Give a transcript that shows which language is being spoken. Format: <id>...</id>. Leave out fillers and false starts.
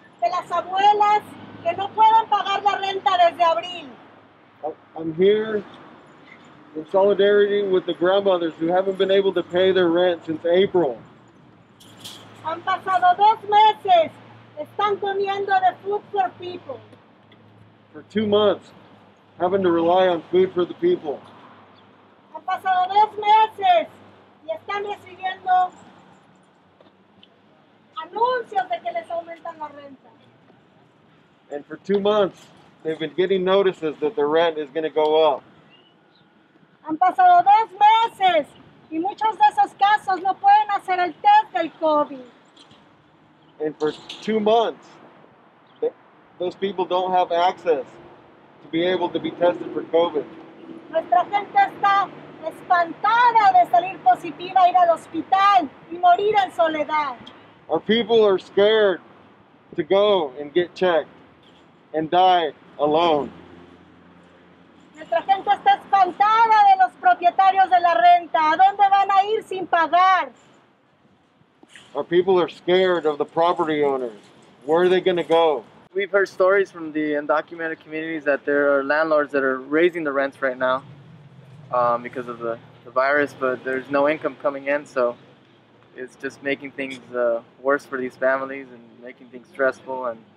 <en>I'm here in solidarity with the grandmothers who haven't been able to pay their rent since April.</en> <es>Han pasado dos meses. Están comiendo de food for people.</es> <en>For 2 months, having to rely on food for the people.</en> <es>Han pasado dos meses. Y están recibiendo anuncios de que les aumentan la renta.</es> <en>And for 2 months, they've been getting notices that their rent is going to go up.</en> <es>Han pasado dos meses y muchos de esos casos no pueden hacer el test del COVID.</es> <en>And for 2 months, those people don't have access to be able to be tested for COVID.</en> <es>Nuestra gente está espantada de salir positiva, ir al hospital y morir en soledad.</es> <en>Our people are scared to go and get checked and die alone.</en> <es>Nuestra gente está espantada de los propietarios de la renta. ¿A dónde van a ir sin pagar?</es> <en>Our people are scared of the property owners. Where are they going to go? We've heard stories from the undocumented communities that there are landlords that are raising the rents right now because of the virus, but there's no income coming in, so it's just making things worse for these families and making things stressful.</en>